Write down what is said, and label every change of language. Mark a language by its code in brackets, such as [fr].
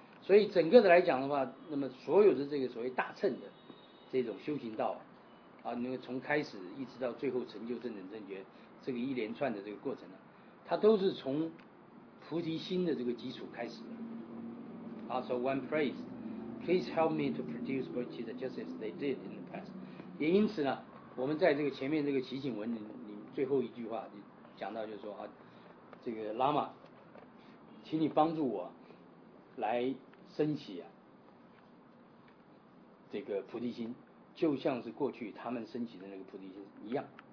[zh] 所以整个的来讲的话，那么所有的这个所谓大乘的这种修行道啊，那个从开始一直到最后成就正等正觉，这个一连串的这个过程呢，它都是从菩提心的这个基础开始的。 [en] So one prays, please help me to produce Bodhisattva just as they did in the past. [zh] 也因此呢，我们在这个前面这个祈请文里最后一句话讲到，就是说啊，这个喇嘛，请你帮助我来升起啊这个菩提心，就像是过去他们升起的那个菩提心一样。